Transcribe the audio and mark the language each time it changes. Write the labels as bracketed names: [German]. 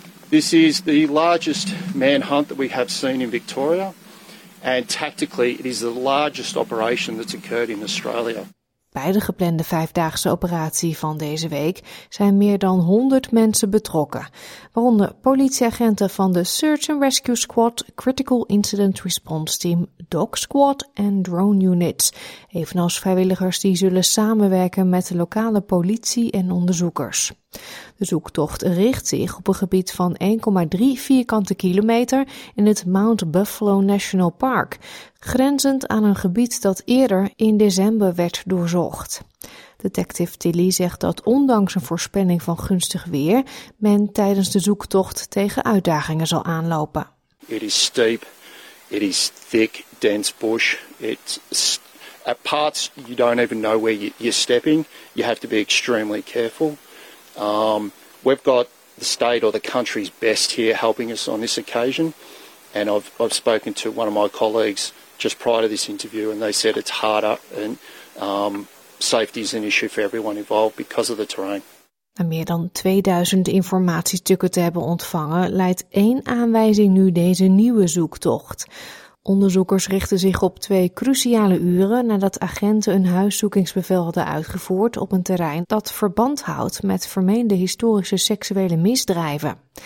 [English] This is the largest manhunt that we have seen in Victoria, and tactically it is the largest operation that's occurred in Australia. [Dutch] Bij de geplande 5-daagse operatie van deze week zijn meer dan 100 mensen betrokken, waaronder politieagenten van de Search and Rescue Squad, Critical Incident Response Team, Dog Squad en Drone Units, evenals vrijwilligers die zullen samenwerken met de lokale politie en onderzoekers. De zoektocht richt zich op een gebied van 1,3 vierkante kilometer in het Mount Buffalo National Park, grenzend aan een gebied dat eerder in december werd doorzocht. Detective Tilley zegt dat ondanks een voorspelling van gunstig weer, men tijdens de zoektocht tegen uitdagingen zal aanlopen. [English] It is steep, it is thick, dense bush, it's at parts you don't even know where you're stepping, you have to be extremely careful. We've got the state or the country's best here helping us on this occasion, and I've spoken to one of my colleagues just prior to this interview, and they said it's harder and safety is an issue for everyone involved because of the terrain. [Dutch] Na meer dan 2000 informatiestukken te hebben ontvangen, leidt 1 aanwijzing nu deze nieuwe zoektocht. Onderzoekers richten zich op 2 cruciale uren nadat agenten een huiszoekingsbevel hadden uitgevoerd op een terrein dat verband houdt met vermeende historische seksuele misdrijven.